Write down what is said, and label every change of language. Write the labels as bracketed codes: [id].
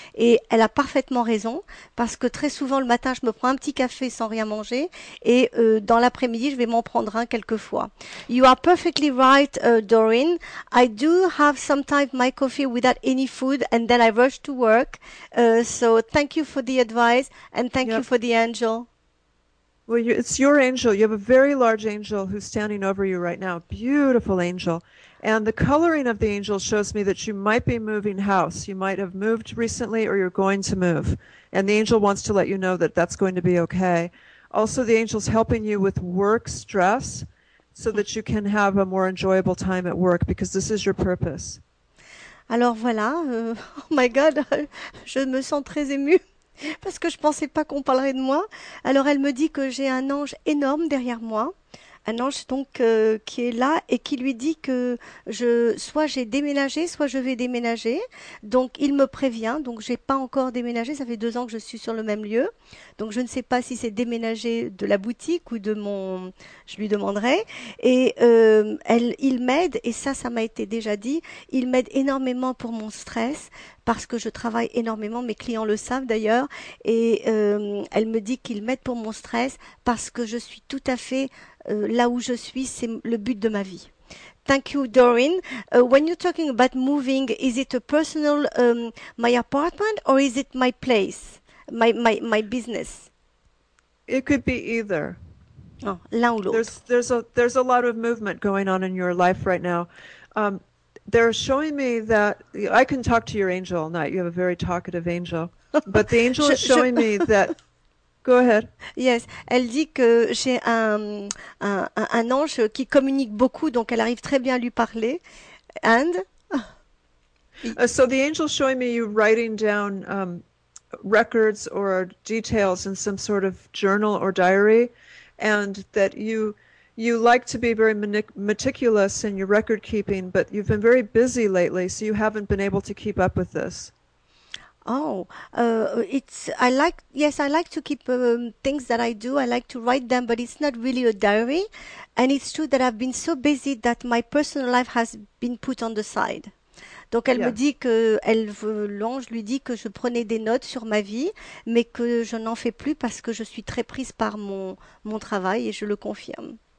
[fr] Et elle a parfaitement raison, parce que très souvent le matin je me prends un petit café sans rien manger et dans l'après-midi je vais m'en prendre un quelquefois. [en] You are perfectly right, Dorine. I do have sometimes my coffee without any food, and then I rush to work. So thank you for the advice, and thank you for the angel. Well, it's your angel. You have a very large angel who's standing over you right now. Beautiful angel. And the coloring of the angel shows me that you might be moving house. You might have moved recently, or you're going to move. And the angel wants to let you know that that's going to be okay. Also, the angel's helping you with work stress so that you can have a more enjoyable time at work, because this is your purpose. [fr] Alors voilà, [en] oh my God, [fr] je me sens très émue parce que je ne pensais pas qu'on parlerait de moi. Alors elle me dit que j'ai un ange énorme derrière moi, un ange donc qui est là et qui lui dit que soit j'ai déménagé, soit je vais déménager. Donc il me prévient, donc je n'ai pas encore déménagé, ça fait 2 ans que je suis sur le même lieu. Donc je ne sais pas si c'est déménager de la boutique ou de mon... Je lui demanderai. Et il m'aide, et ça m'a été déjà dit, il m'aide énormément pour mon stress, parce que je travaille énormément, mes clients le savent d'ailleurs, et elle me dit qu'il m'aide pour mon stress, parce que je suis tout à fait là où je suis, c'est le but de ma vie. [en] Thank you, Dorine. When you're talking about moving, is it a personal, my apartment, or is it my place? My business. It could be either. [fr] Oh, l'un ou l'autre. [en] There's a lot of movement going on in your life right now. They're showing me that I can talk to your angel all night. You have a very talkative angel. But the angel is showing me that. Go ahead. [fr] Yes, elle dit que j'ai un ange qui communique beaucoup, donc elle arrive très bien à lui parler. [en] And So the angel showing me you writing down records or details in some sort of journal or diary, and that you like to be very meticulous in your record keeping, but you've been very busy lately, so you haven't been able to keep up with this. I like to keep things that I do. I like to write them, but it's not really a diary. And it's true that I've been so busy that my personal life has been put on the side. [fr] Donc elle me dit que l'ange lui dit que je prenais des notes sur ma vie, mais que je n'en fais plus parce que je suis très prise par mon travail, et je le confirme.